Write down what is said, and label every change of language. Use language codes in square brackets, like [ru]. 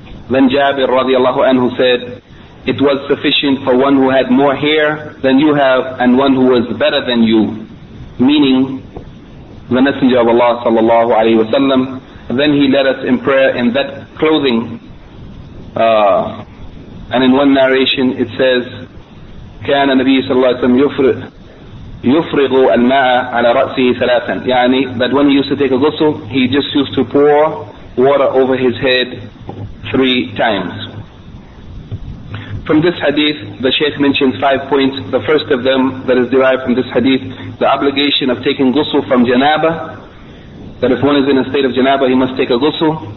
[en] Then Jabir radiallahu anhu said, it was sufficient for one who had more hair than you have and one who was better than you, meaning the Messenger of Allah sallallahu alayhi wa sallam. Then he led us in prayer in that clothing. And in one narration it says, [ar] كان النبي صلى الله عليه وسلم يفرغ الماء على رأسه ثلاثا. يعني [en] that when he used to take a ghusl, he just used to pour water over his head 3 times. From this hadith, the Shaykh mentions 5 points. The first of them that is derived from this hadith, the obligation of taking ghusl from janabah, that if one is in a state of janabah, he must take a ghusl.